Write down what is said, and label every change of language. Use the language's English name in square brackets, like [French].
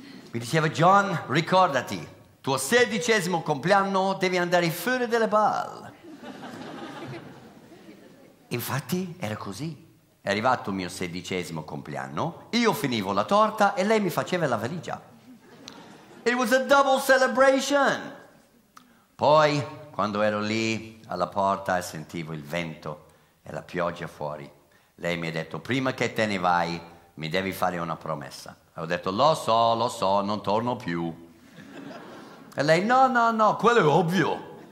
[Italian] Mi diceva: John, ricordati, tuo 16° compleanno devi andare fuori delle bar. Infatti era così. È arrivato il mio 16° compleanno, io finivo la torta e lei mi faceva la valigia. [English] It was a double celebration. [Italian] Poi, quando ero lì alla porta e sentivo il vento e la pioggia fuori, lei mi ha detto: prima che te ne vai, mi devi fare una promessa. E ho detto: lo so, non torno più. E lei: no, no, no, quello è ovvio.